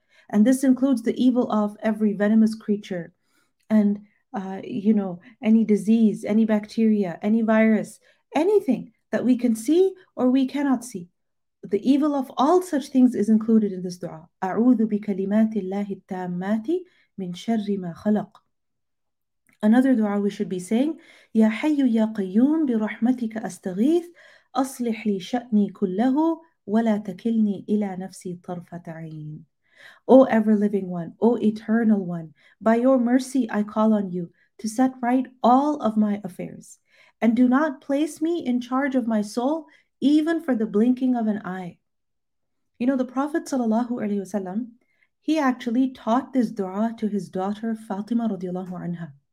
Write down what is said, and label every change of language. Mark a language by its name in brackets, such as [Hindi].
[English] And this includes the evil of every venomous creature and, any disease, any bacteria, any virus, anything that we can see or we cannot see. The evil of all such things is included in this dua. [Arabic] أَعُوذُ بِكَلِمَاتِ اللَّهِ التَّامَّاتِ مِنْ شَرِّ مَا خَلَقْ. [English] Another dua we should be saying, [Arabic] يَا حَيُّ يَا قَيُّمْ بِرَحْمَتِكَ أَسْتَغِيثِ أَصْلِحْ لِي شَأْنِي كُلَّهُ وَلَا تَكِلْنِي إِلَى نَفْسِي طَرْفَةَ عَيْنِ. [English] O ever-living one, O eternal one, by your mercy I call on you to set right all of my affairs, and do not place me in charge of my soul even for the blinking of an eye. You know, the Prophet sallallahu alaihi wasallam, he actually taught this dua to his daughter Fatima radiallahu anha.